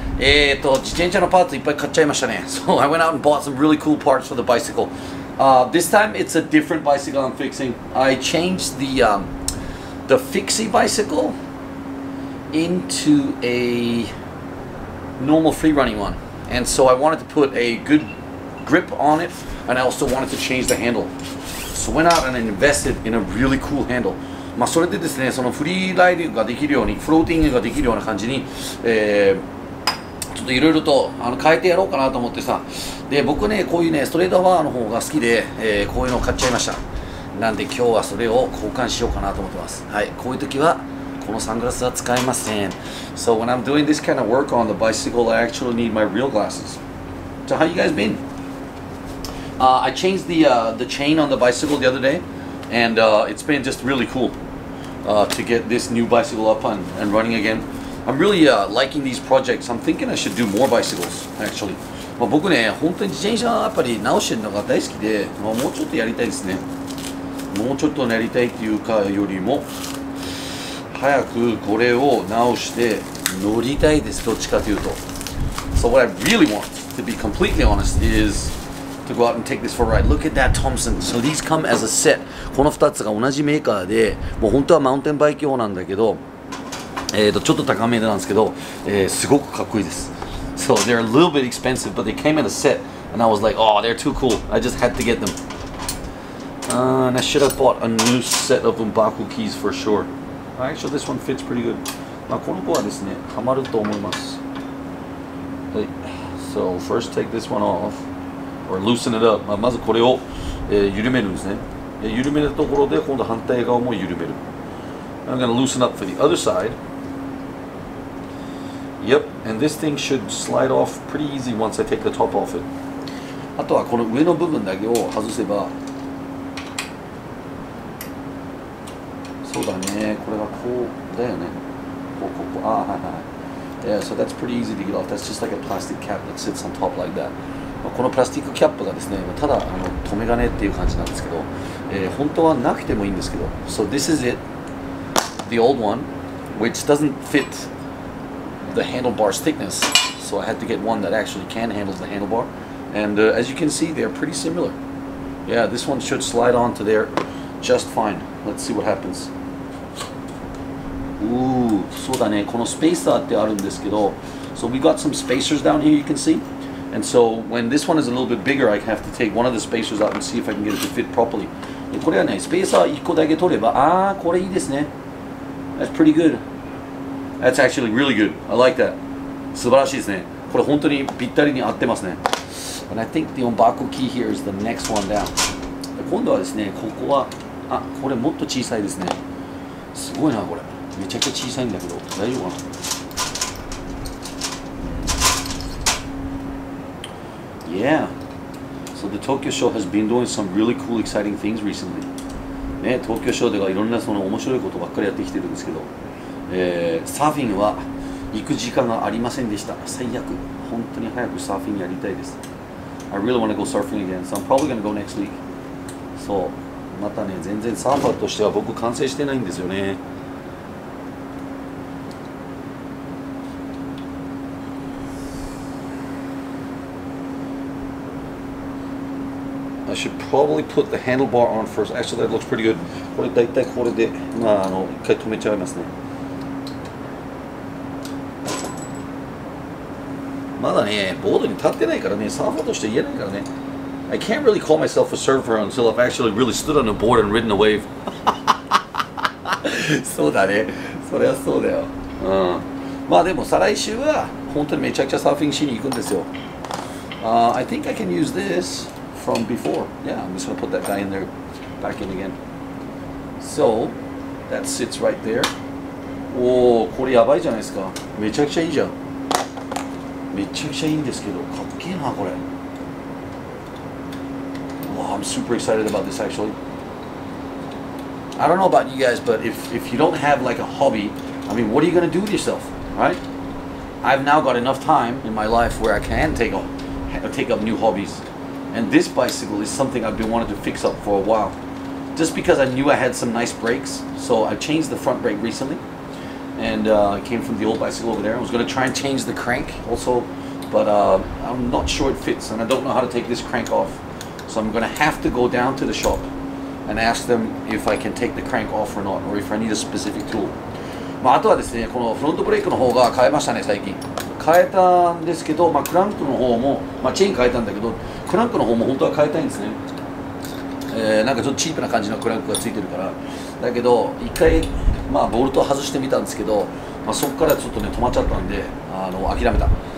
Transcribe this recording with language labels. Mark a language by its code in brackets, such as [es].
[ja] 自転車のパーツいっぱい買っちゃいましたね。 [en] So I went out and bought some really cool parts for the bicycle. This time it's a different bicycle I'm fixing. I changed the Fixie bicycle into a normal free running one. And so I wanted to put a good grip on it and I also wanted to change the handle. So went out and invested in a really cool handle. [ja] まあそれでですね、そのフリーライディングができるように、フローティングができるような感じに、ちょっといろいろと変えてやろうかなと思ってさ。で、僕ね、こういうね、ストレートバーの方が好きで、こういうのを買っちゃいました。なんで今日はそれを交換しようかなと思ってます。はい、こういう時はこのサングラスは使えません。 [en] So when I'm doing this kind of work on the bicycle, I actually need my real glasses. So how you guys been? I changed the chain on the bicycle the other day, and it's been just really cool to get this new bicycle up and running again. I'm really liking these projects. I'm thinking I should do more bicycles, actually. [ja] まあ僕ね、本当に自転車やっぱり直してるのが大好きで、まあ、もうちょっとやりたいですね。もうちょっとやりたいっていうかよりも、早くこれを直して乗りたいです、どっちかというと。 [en] So what I really want, to be completely honest, is... to go out and take this for a ride. Look at that Thompson. So these come as a set. [ja] この2つが同じメーカーで、もう本当はマウンテンバイク用なんだけど、ちょっと高めなんですけど、すごくかっこいいです。 [en] So they're a little bit expensive, but they came in a set. And I was like, oh, they're too cool. I just had to get them. And I should have bought a new set of Umbaku keys for sure. Actually, this one fits pretty good. [ja] まあこの子はですね、ハマると思います。 [en] はい。So first take this one off. Or loosen it up. [ja] まずこれを、緩めるんですね。緩めるところで今度反対側も緩める。 [en] I'm gonna loosen up for the other side. Yep, and this thing should slide off pretty easy once I take the top off it. [ja] あとはこの上の部分だけを外せば。そうだね、これがこうだよね。ここ、ああ、はいはい。 [en] Yeah, so that's pretty easy to get off. That's just like a plastic cap that sits on top like that. [ja] このプラスチックキャップがですね、ただ留め金っていう感じなんですけど、本当はなくてもいいんですけど。 [en] So this is it, the old one, which doesn't fit the handlebar's thickness. So I had to get one that actually can handle the handlebar. And as you can see, they're pretty similar. Yeah, this one should slide onto there just fine. Let's see what happens. Ooh, [ja] そうだね。このスペーサーってあるんですけど、 [en] So we got some spacers down here, you can see. And so, when this one is a little bit bigger, I have to take one of the spacers out and see if I can get it to fit properly. [ja] これはね、スペーサー1個だけ取れば、ああ、これいいですね。 [en] That's pretty good. That's actually really good. I like that. [ja] 素晴らしいですね。これ本当にぴったりに合ってますね。 [en] And I think the Umbaku key here is the next one down. [ja] 今度はですね、ここは、あ、これもっと小さいですね。すごいな、これ。めちゃくちゃ小さいんだけど、大丈夫かな? [en] Yeah, so the Tokyo Show has been doing some really cool, exciting things recently. [ja] ね、東京ショーではいろんなその面白いことばっかりやってきてるんですけど、サーフィンは行く時間がありませんでした。最悪。本当に早くサーフィンやりたいです。 [en] I really want to go surfing again, so I'm probably going to go next week. [ja] そう、またね、全然サーファーとしては僕完成してないんですよね。 [en] I should probably put the handlebar on first. Actually, that looks pretty good. [ja] これだいたいこれで、まあ一回止めちゃいますね。まだね、ボードに立ってないからね、サーファーとして言えないからね。 [en] I can't really call myself a surfer until I've actually really stood on a board and ridden a wave. [ja] そうだね。そりゃそうだよ。うん。まあでも再来週は、本当にめちゃくちゃサーフィングしに行くんですよ。 [en] I think I can use this. From before. Yeah, I'm just gonna put that guy in there back in again. So that sits right there. [ja] Oh, これやばいじゃないですか。めちゃくちゃいいじゃん。めちゃくちゃいいんですけど、かっけえなこれ。 [en] Wow, I'm super excited about this actually. I don't know about you guys, but if you don't have like a hobby, I mean, what are you gonna do with yourself, right? I've now got enough time in my life where I can take up new hobbies.And this bicycle is something I've been wanting to fix up for a while. just because I knew I had some nice brakes. So I changed the front brake recently, and it came from the old bicycle over there. I was going to try and change the crank also, but I'm not sure it fits, and I don't know how to take this crank off. So I'm going to have to go down to the shop and ask them if I can take the crank off or not, or if I need a specific tool. [ja] まあ、あとはですね、このフロントブレーキの方が変えましたね、最近。変えたんですけど、まあ、クランクの方も、まあ、チェーン変えたんだけど、クランクの方も本当は変えたいんですね。なんかちょっとチープな感じのクランクがついてるから。だけど、一回、まあ、ボルト外してみたんですけど、まあ、そこからちょっとね、止まっちゃったんで、諦めた。